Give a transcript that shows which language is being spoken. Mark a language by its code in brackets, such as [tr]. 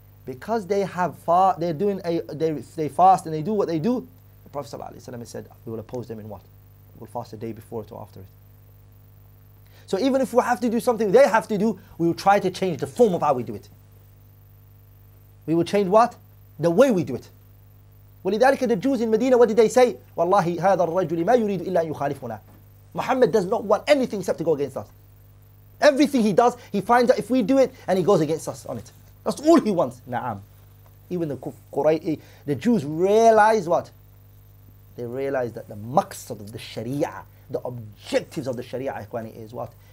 [en] Because they have they fast and they do what they do, the Prophet ﷺ said, we will oppose them in what? We'll fast the day before it or after it. So even if we have to do something they have to do, we will try to change the form of how we do it. We will change what? The way we do it. ولذلك, the Jews in Medina, what did they say? [ar] Wallahi, هذا الرجل ما يريد إلا أن يخالفنا. [en] Muhammad does not want anything except to go against us. Everything he does, he finds out if we do it, and he goes against us on it. That's all he wants. Na'am. Even the Jews realize what? They realize that the maqsad of the Sharia, the objectives of the Sharia, ikhwani, is what?